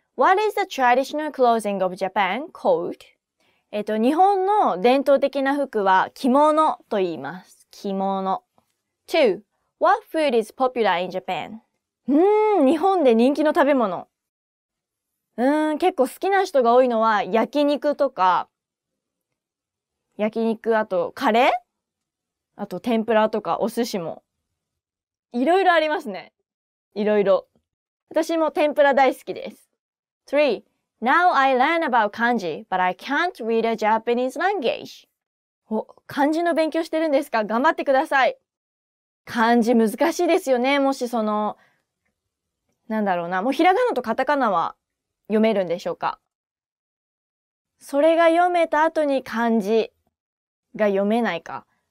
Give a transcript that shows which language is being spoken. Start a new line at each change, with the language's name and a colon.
English: What is the traditional clothing of Japan called?
Japanese: 日本の伝統的な服は着物と言います。
English: 着物。2. What food is popular in Japan?
Japanese: 日本で人気の食べ物。結構好きな人が多いのは焼肉とか、焼肉、あとカレー? あと天ぷらとかお寿司もいろいろありますね。いろいろ。私も天ぷら大好きです。 3.
English: Now I learn about kanji, but I can't read a Japanese language.
Japanese: お、漢字の勉強してるんですか?頑張ってください。漢字難しいですよね。もしその、なんだろうな。もうひらがなとカタカナは読めるんでしょうか?それが読めた後に漢字が読めないか。